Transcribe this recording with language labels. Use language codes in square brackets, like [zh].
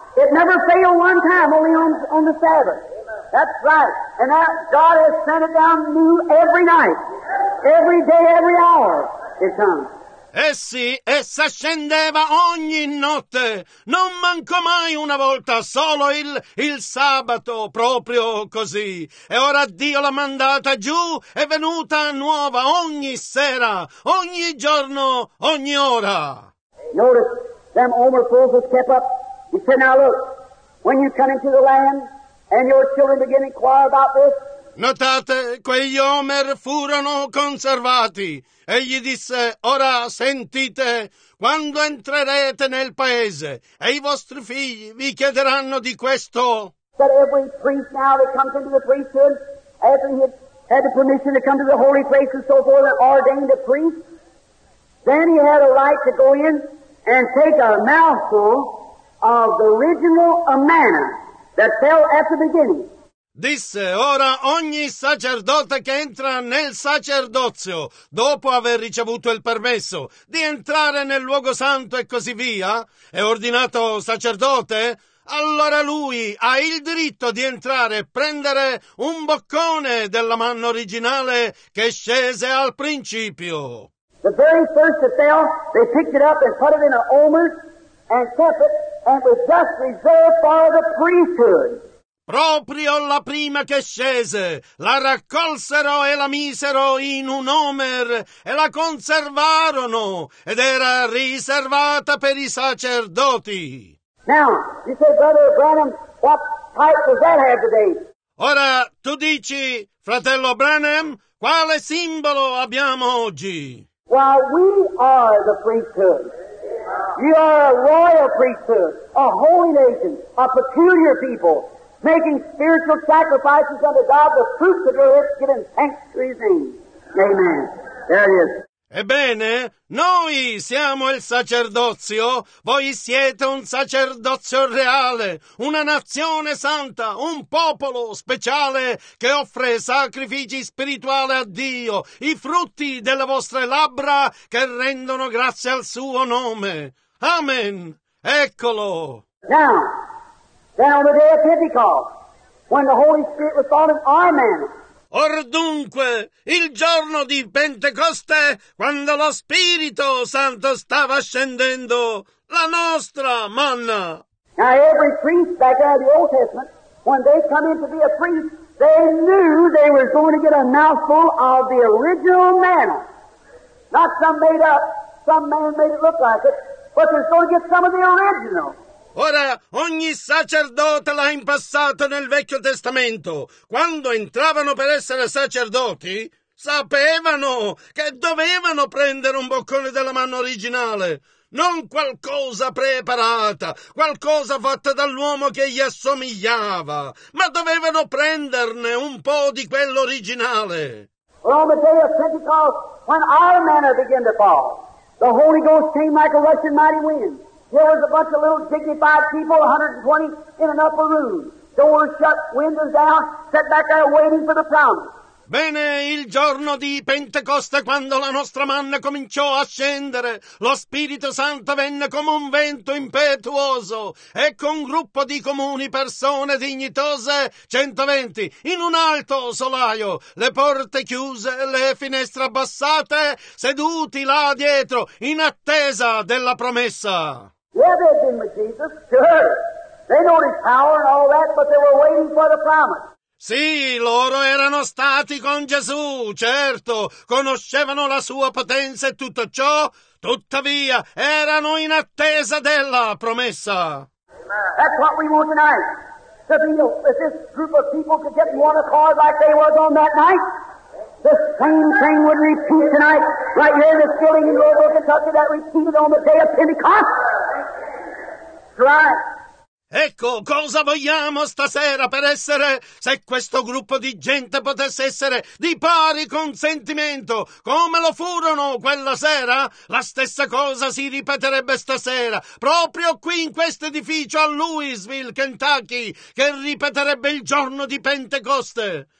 [en] It never failed one time, only on the Sabbath. Amen. That's right. And that God has sent it down new every night. Every day, every hour, it comes. [it] Essi, essa scendeva ogni notte, non manco mai una volta, solo il sabato, proprio così. E ora Dio l'ha mandata giù, è venuta nuova ogni sera, ogni giorno, ogni ora. [en] Notice, them Omer fools have kept up. He said, now look, when you come into the land and your children begin to inquire about this. [it] Notate, quegli omer furono conservati. Egli disse, ora sentite, quando entrerete nel paese e i vostri figli vi chiederanno di questo. [en] That every priest now that comes into the priesthood, after he had the permission to come to the holy place and so forth, and ordained a priest, then he had a right to go in and take a mouthful of the original manna that fell at the beginning. [it] Disse, ora ogni sacerdote che entra nel sacerdozio, dopo aver ricevuto il permesso di entrare nel luogo santo e così via, è ordinato sacerdote, allora lui ha il diritto di entrare e prendere un boccone della manna originale che scese al principio. [en] The very first that fell, they picked it up and put it in an omer and kept it. And it was just reserved for the priesthood. [it] Proprio la prima che scese, la raccolsero e la misero in un omer e la conservarono ed era riservata per i sacerdoti. [en] Now, you say, Brother Branham, what type does that have today? [it] Ora, tu dici, fratello Branham, quale simbolo abbiamo oggi? [en] Well, we are the priesthood. You are a royal priesthood, a holy nation, a peculiar people, making spiritual sacrifices unto God, the fruits of your lips, giving thanks to His name. Amen. There it is. [it] Ebbene, noi siamo il sacerdozio, voi siete un sacerdozio reale, una nazione santa, un popolo speciale che offre sacrifici spirituali a Dio, i frutti delle vostre labbra che rendono grazie al suo nome. Amen. Eccolo. [en] Now, then on the day of Pentecost, when the Holy Spirit was fallen, amen. [it] Or dunque, il giorno di Pentecoste, quando lo Spirito Santo stava scendendo, la nostra manna. [en] Now every priest back in the Old Testament, when they come in to be a priest, they knew they were going to get a mouthful of the original manna. Not some made up, some man made it look like it, but they're going to get some of the original. [it] Ora, ogni sacerdote là in passato nel Vecchio Testamento, quando entravano per essere sacerdoti, Sapevano che dovevano prendere un boccone della manna originale, non qualcosa preparata, qualcosa fatta dall'uomo che gli assomigliava, ma dovevano prenderne un po' di quello originale. [en] On the day of Pentecost, when all manna began to fall, the Holy Ghost came like a rushing mighty wind. There was a bunch of little dignified people, 120, in an upper room. Doors shut, windows down, sat back there waiting for the promise. [it] Bene, il giorno di Pentecoste, quando la nostra manna cominciò a scendere, lo Spirito Santo venne come un vento impetuoso, ecco un gruppo di comuni persone dignitose, 120, in un alto solaio, le porte chiuse, le finestre abbassate, seduti là dietro, in attesa della promessa. [en] Yeah, they've been with Jesus, sure. They know his power and all that, but they were waiting for the promise. [it] Sì, loro erano stati con Gesù, certo, conoscevano la sua potenza e tutto ciò, tuttavia erano in attesa della promessa. [en] That's what we want tonight. To be, if this group of people could get in one accord like they was on that night, the same thing would repeat tonight, right here in this building in Louisville, Kentucky, that repeated on the day of Pentecost. Right. [it] Ecco, cosa vogliamo stasera per essere, se questo gruppo di gente potesse essere di pari consentimento, come lo furono quella sera? La stessa cosa si ripeterebbe stasera, proprio qui in questo edificio a Louisville, Kentucky, che ripeterebbe il giorno di Pentecoste.